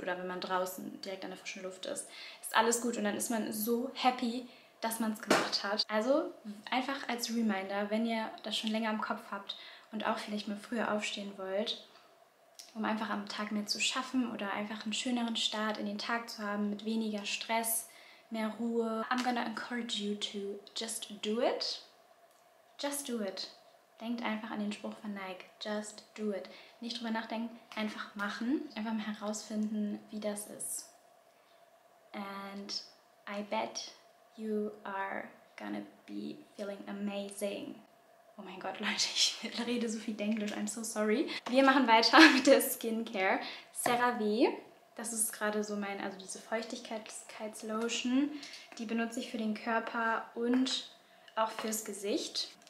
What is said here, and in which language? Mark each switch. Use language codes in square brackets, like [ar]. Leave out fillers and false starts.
[de] Oder wenn man draußen direkt an der frischen Luft ist, ist alles gut. Und dann ist man so happy, dass man es gemacht hat. Also einfach als Reminder, wenn ihr das schon länger im Kopf habt und auch vielleicht mal früher aufstehen wollt, um einfach am Tag mehr zu schaffen oder einfach einen schöneren Start in den Tag zu haben mit weniger Stress, mehr Ruhe. [en] I'm gonna encourage you to just do it. Just do it. [de] Denkt einfach an den Spruch von Nike. [en] Just do it. [de] Nicht drüber nachdenken, einfach machen. Einfach mal herausfinden, wie das ist. [en] And I bet you are gonna be feeling amazing. [de] Oh mein Gott, Leute, ich rede so viel Denglisch. [en] I'm so sorry. [de] Wir machen weiter mit der Skincare. CeraVe. Das ist gerade so mein, also diese Feuchtigkeitslotion. Die benutze ich für den Körper und auch fürs Gesicht.